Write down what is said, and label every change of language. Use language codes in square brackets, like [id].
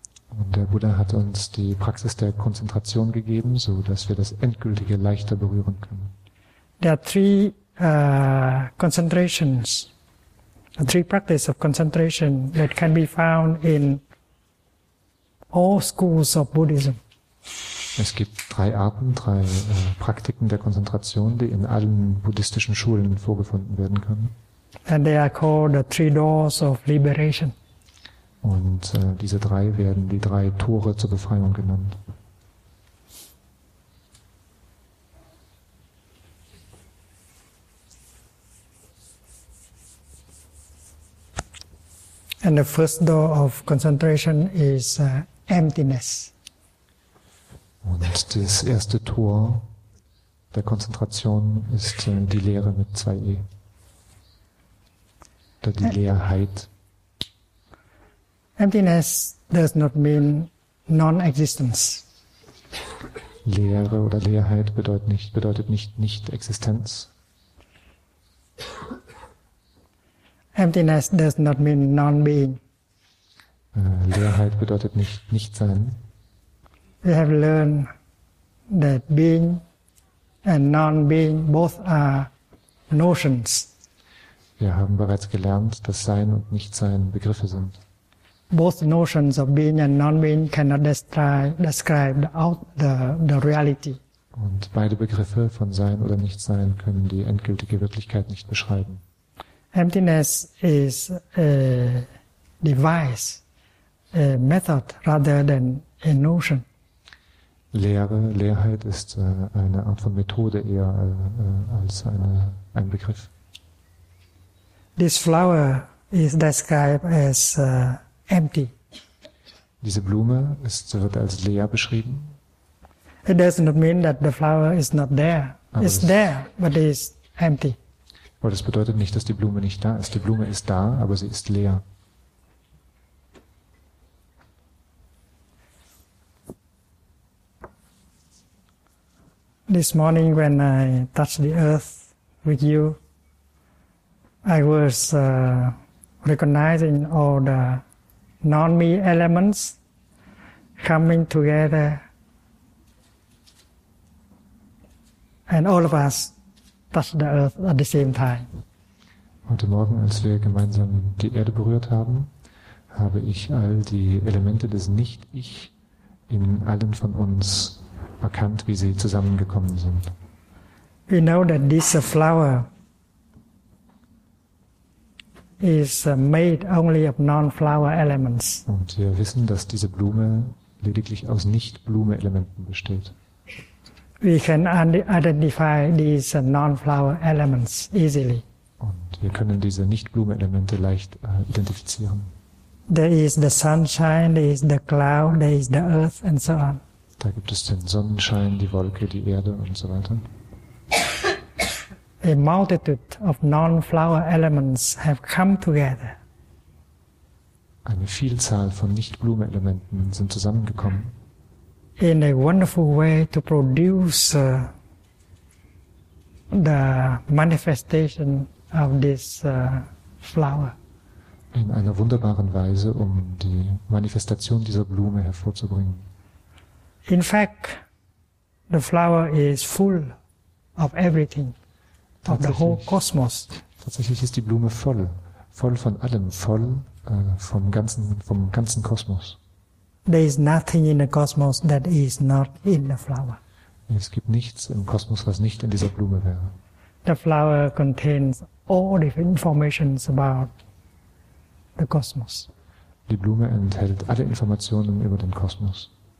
[de] Und der Buddha hat uns die Praxis der Konzentration gegeben, so dass wir das Endgültige leichter berühren können. [en] There are three concentrations, three practices of concentration that can be found in all schools of Buddhism. [de] Es gibt drei Arten, drei Praktiken der Konzentration, die in allen buddhistischen Schulen vorgefunden werden können. [en] And they are called the three doors of liberation. [de] Und diese drei werden die drei Tore zur Befreiung genannt. [en] And the first door of concentration is emptiness. [de] Und das erste Tor der Konzentration ist die Leere mit zwei E. Oder die Leerheit. [en] Emptiness does not mean non-existence. [de] Leere oder Leerheit bedeutet nicht Nicht-Existenz. [en] Emptiness does not mean non-being. [de] Leerheit bedeutet nicht Nicht-Sein. [en] We have learned that being and non-being both are notions. [de] Wir haben bereits gelernt, dass Sein und Nicht-Sein Begriffe sind. [en] Both notions of being and non-being cannot describe the reality. [de] Und beide Begriffe von Sein oder Nichtsein können die endgültige Wirklichkeit nicht beschreiben. [en] Emptiness is a device, a method rather than a notion. [de] Leerheit ist eine Art von Methode eher als ein Begriff. [en] This flower is described as empty. [de] Diese Blume wird als leer beschrieben. [en] It does not mean that the flower is not there. It's there, but it is empty. [de] Aber das bedeutet nicht, dass die Blume nicht da ist. Die Blume ist da, aber sie ist leer. [en] This morning when I touched the earth with you, I was recognizing all the non-me elements coming together, and all of us touch the earth at the same time. [de] Heute Morgen, als wir gemeinsam die Erde berührt haben, habe ich all die Elemente des Nicht-Ich in allen von uns erkannt, wie sie zusammengekommen sind. [en] We know that this flower is made only of non-flower elements. [de] Und wir wissen, dass diese Blume lediglich aus Nicht-Blume-Elementen besteht. [en] We can identify these non-flower elements easily. [de] Und wir können diese Nicht-Blume-Elemente leicht identifizieren. [en] There is the sunshine, there is the cloud, there is the earth, and so on. [de] Da gibt es den Sonnenschein, die Wolke, die Erde und so weiter. [en] A multitude of non-flower elements have come together. [de] Eine Vielzahl von Nicht-Blume-Elementen sind zusammengekommen. [en] In a wonderful way to produce the manifestation of this flower. [de] In einer wunderbaren Weise, um die Manifestation dieser Blume hervorzubringen. [en] In fact, the flower is full of everything, of the whole cosmos. [de] Tatsächlich ist die Blume voll von allem, voll vom ganzen Kosmos. [en] There is nothing in the cosmos that is not in the flower. [de] Es gibt nichts im Kosmos, was nicht in dieser Blume wäre. [en] The flower contains all the information about the cosmos. [de] Die Blume enthält alle Informationen über den Kosmos.